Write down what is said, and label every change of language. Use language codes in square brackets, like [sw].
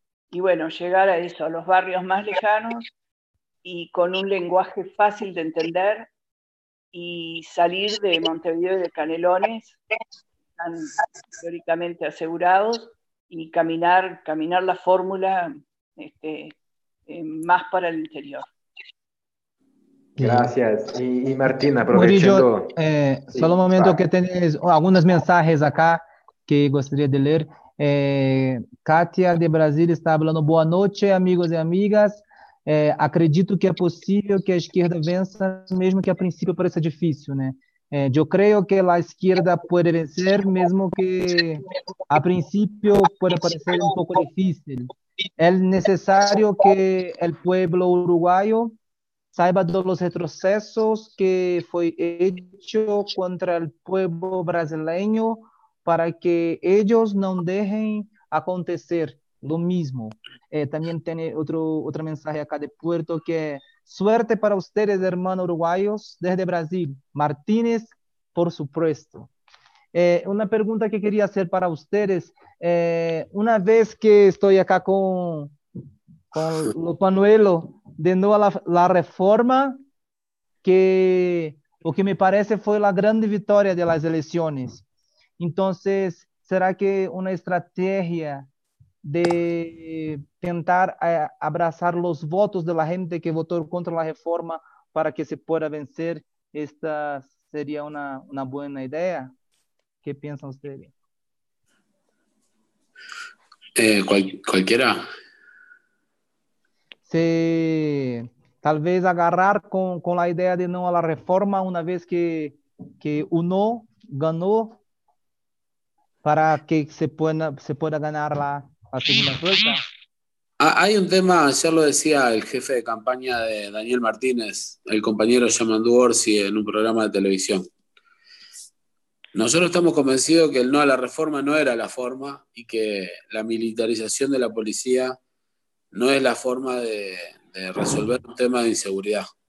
[es] Y bueno, llegar a eso, a los barrios más lejanos y con un lenguaje fácil de entender, y salir de Montevideo y de Canelones, están teóricamente asegurados, y caminar la fórmula más para el interior. Gracias. Y Martín, aprovechando. Murillo, sí, solo un momento, claro. Que tenés algunos mensajes acá que gustaría de leer. Katia de Brasil está hablando, [pt] boa noite, amigos e amigas. Acredito que é possível que a esquerda vença, mesmo que a princípio pareça difícil, né? Eu creio que a esquerda pode vencer, mesmo que a princípio pode parecer um pouco difícil. É necessário que o povo uruguaio saiba dos retrocessos que foi feito contra o povo brasileiro, [es] para que ellos no dejen acontecer lo mismo. También tiene otro mensaje acá de Puerto, que suerte para ustedes, hermanos uruguayos, desde Brasil. Martínez, por supuesto. Una pregunta que quería hacer para ustedes. Una vez que estoy acá con lo panuelo de nuevo la reforma, que lo que me parece fue la gran victoria de las elecciones. Entonces, ¿será que una estrategia [pt] de tentar abraçar os votos [es] de la gente [pt] que votou contra a reforma [es] para que se pueda vencer? [pt] Esta seria uma boa ideia? O que pensam vocês? Qualquer. Se talvez agarrar com a ideia de não a reforma, uma vez que o não ganhou, [es] para que se pueda [pt] ganhar [es] la segunda vuelta. Hay un tema, ya lo decía el jefe de campaña de Daniel Martínez, el compañero Yamandú Orsi, en un programa de televisión. Nosotros estamos convencidos que el no a la reforma no era la forma y que la militarización de la policía no es la forma de resolver un tema de inseguridad.